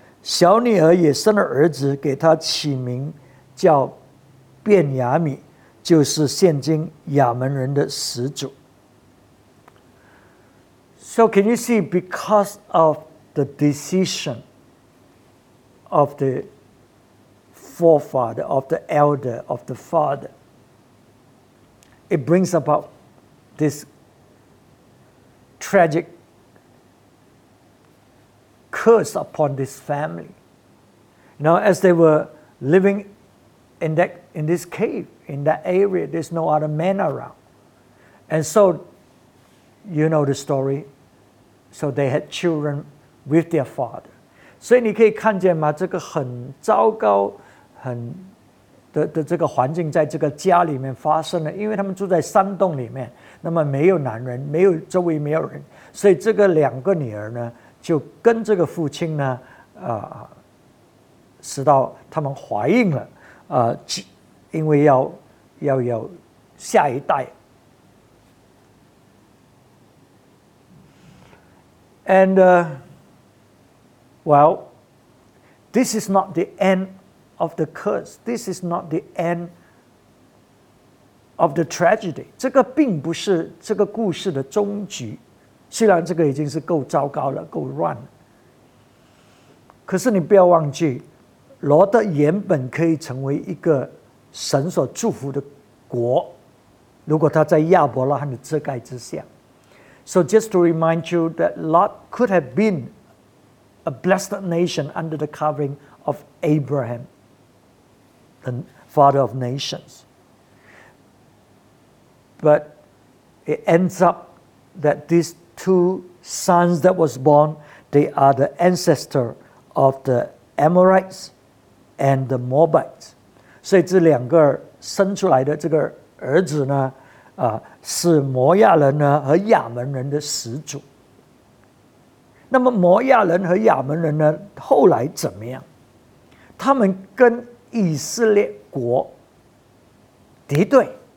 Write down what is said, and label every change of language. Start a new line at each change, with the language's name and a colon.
Chinese: 小女儿也生了儿子，给她起名叫便雅米，就是现今亚门人的始祖。
English: So can you see, because of the decision of the forefather, of the elder, of the father, it brings about this tragic curse upon this family. Now, as they were living in this cave, in that area, there's no other man around. And so, you know the story. So they had children with their father.
Chinese: 所以你可以看见吗？这个很糟糕，这个环境在这个家里面发生了。因为他们住在山洞里面，那么没有男人，没有周围没有人，所以这个两个女儿呢，就跟这个父亲呢，直到他们怀孕了，因为要下一代。
English: And, well, this is not the end of the curse. This is not the end of the tragedy.
Chinese: 这个并不是这个故事的终局。虽然这个已经是够糟糕了，够乱了。可是你不要忘记，罗德原本可以成为一个神所祝福的国，如果他在亚伯拉罕的遮盖之下。
English: So just to remind you that Lot could have been a blessed nation under the covering of Abraham, the father of nations. But it ends up that these two sons that was born, they are the ancestor of the Amorites and the Moabites.
Chinese: 所以这两个生出来的这个儿子呢，是摩亚人呢和亚门人的始祖。那么摩亚人和亚门人呢，后来怎么样？他们跟以色列国敌对。